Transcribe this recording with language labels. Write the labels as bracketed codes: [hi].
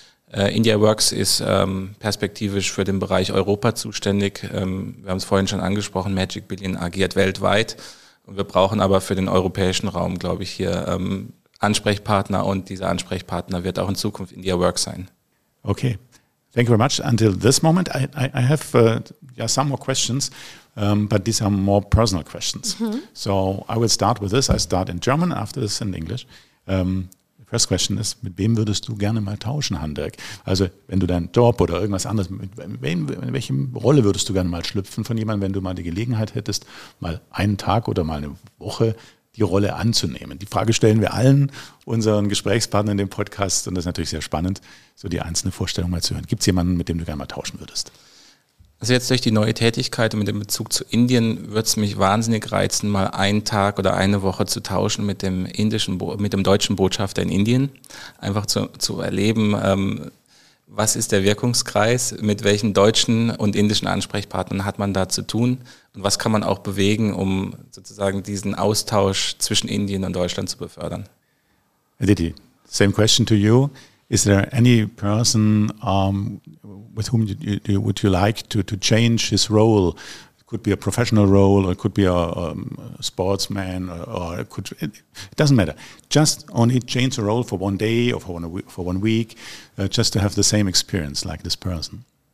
[de] India Works ist perspektivisch für den Bereich Europa zuständig. Wir haben es vorhin schon angesprochen, Magic Billion agiert weltweit. Und wir brauchen aber für den europäischen Raum, glaube ich, hier Ansprechpartner. Und dieser Ansprechpartner wird auch in Zukunft India Works sein. [en] Okay. Thank you very much. Until this moment, I have some more questions, but these are more personal questions. Mm-hmm. So I will start with this. I start in German, after this in English. The first question is, mit wem würdest du gerne mal tauschen, Handwerk? [de] Also wenn du deinen Job oder irgendwas anderes, in welche Rolle würdest du gerne mal schlüpfen von jemandem, wenn du mal die Gelegenheit hättest, mal einen Tag oder mal eine Woche die Rolle anzunehmen? Die Frage stellen wir allen unseren Gesprächspartnern in dem Podcast und das ist natürlich sehr spannend, so die einzelne Vorstellung mal zu hören. Gibt es jemanden, mit dem du gerne mal tauschen würdest? Also jetzt durch die neue Tätigkeit und mit dem Bezug zu Indien würde es mich wahnsinnig reizen, mal einen Tag oder eine Woche zu tauschen mit dem indischen, mit dem deutschen Botschafter in Indien. Einfach zu erleben, was ist der Wirkungskreis, mit welchen deutschen und indischen Ansprechpartnern hat man da zu tun und was kann man auch bewegen, um sozusagen diesen Austausch zwischen Indien und Deutschland zu befördern. [en] Aditi, same question to you. Is there any person with whom would you like to change his role? It could be a professional role, or it could be a sportsman, it doesn't matter. Just only change a role for one day or for one week, just to have the same experience like this person.